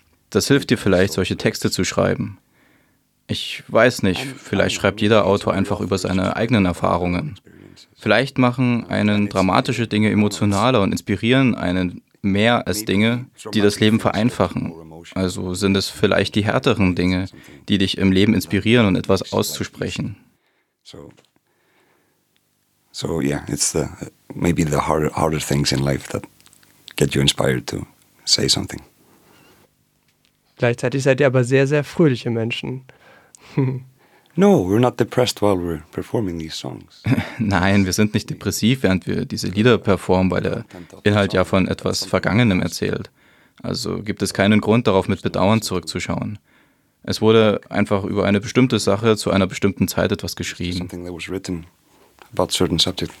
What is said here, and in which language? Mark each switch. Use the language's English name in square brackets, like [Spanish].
[German] Das hilft dir vielleicht, solche Texte zu schreiben. Ich weiß nicht, vielleicht schreibt jeder Autor einfach über seine eigenen Erfahrungen. Vielleicht machen einen dramatische Dinge emotionaler und inspirieren einen mehr als Dinge, die das Leben vereinfachen. Also sind es vielleicht die härteren Dinge, die dich im Leben inspirieren und etwas auszusprechen. [English] So yeah, it's the maybe the harder things in life that get you inspired to say something. [German] Gleichzeitig seid ihr aber sehr, sehr fröhliche Menschen. [English] No, we're not depressed while we're performing these songs. [German] Nein, wir sind nicht depressiv, während wir diese Lieder performen, weil der Inhalt ja von etwas Vergangenem erzählt. Also gibt es keinen Grund, darauf mit Bedauern zurückzuschauen. Es wurde einfach über eine bestimmte Sache zu einer bestimmten Zeit etwas geschrieben. [English] Something that was written about certain subject